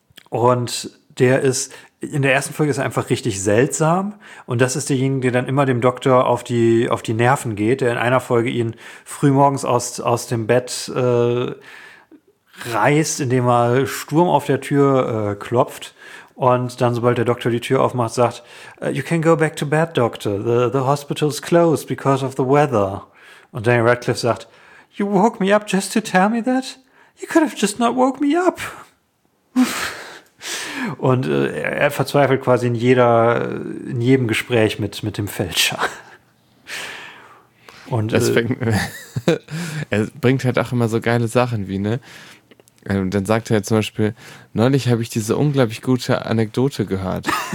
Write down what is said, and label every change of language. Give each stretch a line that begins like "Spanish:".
German: Und der ist, in der ersten Folge ist er einfach richtig seltsam und das ist derjenige, der dann immer dem Doktor auf die Nerven geht, der in einer Folge ihn frühmorgens aus dem Bett reißt, indem er Sturm auf der Tür klopft. Und dann, sobald der Doktor die Tür aufmacht, sagt,
English: you can go back to bed, Doctor. The hospital's closed because of the weather.
German: Und Daniel Radcliffe sagt,
English: you woke me up just to tell me that? You could have just not woke me up.
German: Und er verzweifelt quasi in jedem Gespräch mit dem Fälscher. Und er bringt halt auch immer so geile Sachen wie, ne? Und dann sagt er zum Beispiel, neulich habe ich diese unglaublich gute Anekdote gehört.